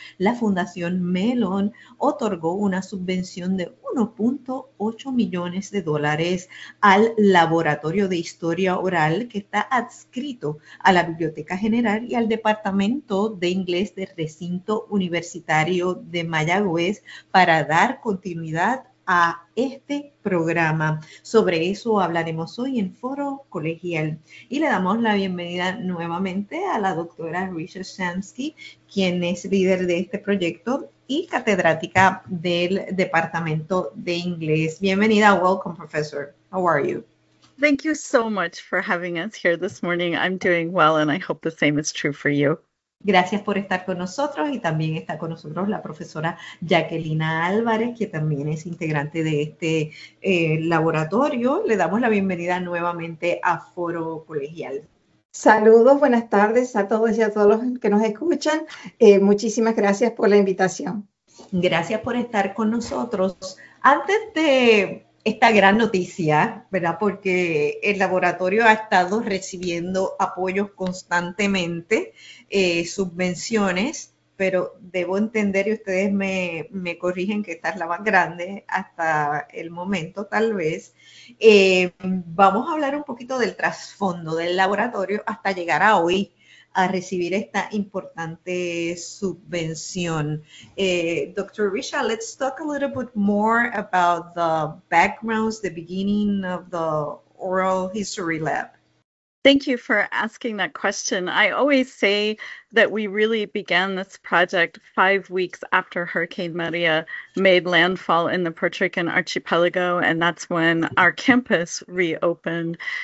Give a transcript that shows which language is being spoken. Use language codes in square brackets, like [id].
[es] La Fundación Mellon otorgó una subvención de $1.8 millones al Laboratorio de Historia Oral, que está adscrito a la Biblioteca General y al Departamento de Inglés del Recinto Universitario de Mayagüez, para dar continuidad a este programa. Sobre eso hablaremos hoy en Foro Colegial. Y le damos la bienvenida nuevamente a la doctora Richard Shamsky, quien es líder de este proyecto y catedrática del Departamento de Inglés. [en] Bienvenida. Welcome, professor. How are you? Thank you so much for having us here this morning. I'm doing well, and I hope the same is true for you. [es] Gracias por estar con nosotros, y también está con nosotros la profesora Jacquelina Álvarez, que también es integrante de este laboratorio. Le damos la bienvenida nuevamente a Foro Colegial. Saludos, buenas tardes a todos y a todos los que nos escuchan. Muchísimas gracias por la invitación. Gracias por estar con nosotros. Antes de esta gran noticia, ¿verdad? Porque el laboratorio ha estado recibiendo apoyos constantemente, subvenciones, pero debo entender, y ustedes me corrigen, que esta es la más grande hasta el momento, tal vez. Vamos a hablar un poquito del trasfondo del laboratorio hasta llegar a hoy a recibir esta importante subvención. [en] Dr. Richa, let's talk a little bit more about the backgrounds, the beginning of the oral history lab. Thank you for asking that question. I always say that we really began this project 5 weeks after Hurricane Maria made landfall in the Puerto Rican archipelago, and that's when our campus reopened.